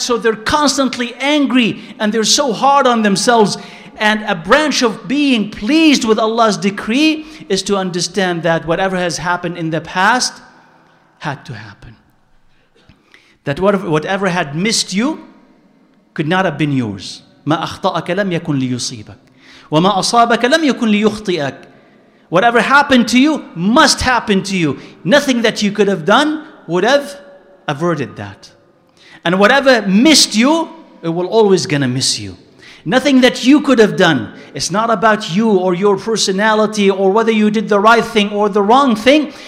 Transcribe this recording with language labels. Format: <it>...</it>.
<en>So they're constantly angry and they're so hard on themselves. And a branch of being pleased with Allah's decree is to understand that whatever has happened in the past had to happen. That whatever had missed you could not have been yours.</en> <ar>ما أخطأك لم يكن ليصيبك وما أصابك لم يكن ليخطئك.</ar> <en>Whatever happened to you must happen to you. Nothing that you could have done would have averted that. And whatever missed you, it will always gonna miss you. Nothing that you could have done, it's not about you or your personality or whether you did the right thing or the wrong thing.</en>